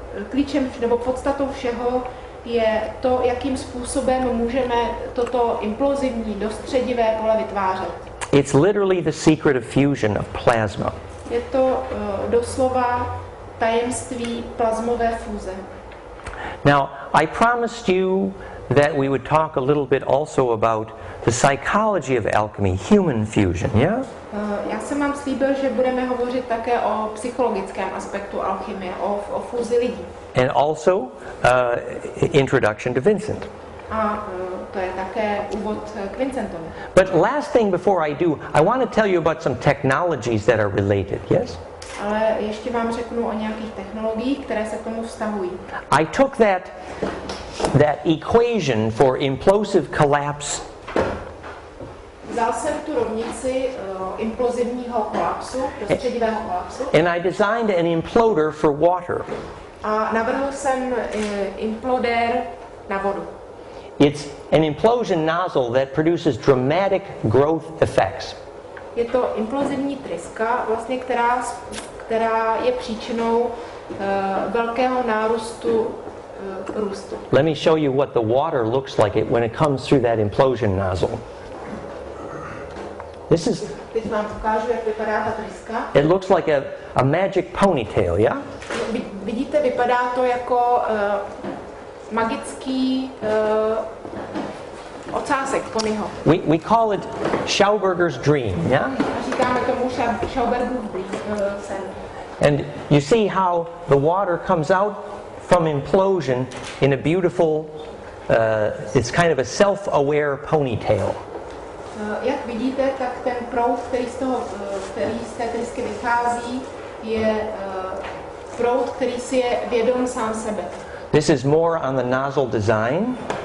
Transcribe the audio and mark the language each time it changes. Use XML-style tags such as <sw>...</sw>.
<cs>Klíčem nebo podstatou všeho je to, jakým způsobem můžeme toto implozivní dostředivé pole vytvářet.</cs> <en>It's literally the secret of fusion of plasma.</en> <cs>Je to doslova tajemství plazmové fúze.</cs> <en>Now, I promised you that we would talk a little bit also about the psychology of alchemy, human fusion, yeah?</en> <cs>Já jsem vám slíbil, že budeme hovořit také o psychologickém aspektu alchymie, o fúzi lidí.</cs> <en>And also introduction to Vincent.</en> <cs>to je také úvod k Vincentovi.</cs> <en>But last thing before I do, I want to tell you about some technologies that are related, yes?</en> <cs>Ale ještě vám řeknu o nějakých technologiích, které se k tomu vztahují.</cs> <en>I took that equation for implosive collapse.</en> <cs>Vzal jsem tu rovnici implozivního kolapsu, prostředivého kolapsu.</cs> <en>And I designed an imploder for water.</en> <cs>A navrhl jsem implodér na vodu.</cs> <en>It's an implosion nozzle that produces dramatic growth effects.</en> <cs>Je to implozivní tryska, vlastně která je příčinou velkého nárůstu růstu.</cs> <en>Let me show you what the water looks like when it comes through that implosion nozzle. This is.</en> <cs>Teď vám ukážu, jak vypadá ta tryska.</cs> <en>It looks like a magic ponytail, yeah?</en> <cs>Vidíte, vypadá to jako magický ocásek ponyho.</cs> <en>We call it Schauberger's dream, yeah?</en> <cs>Říkáme tomu Schauberger's dream.</cs> <en>And you see how the water comes out from implosion in a beautiful, it's kind of a self-aware ponytail.</en> <cs>Jak vidíte, tak ten proud, který z té trysky vychází, je proud, který si je vědom sám sebe.</cs> <en>This is more on the nozzle design.</en>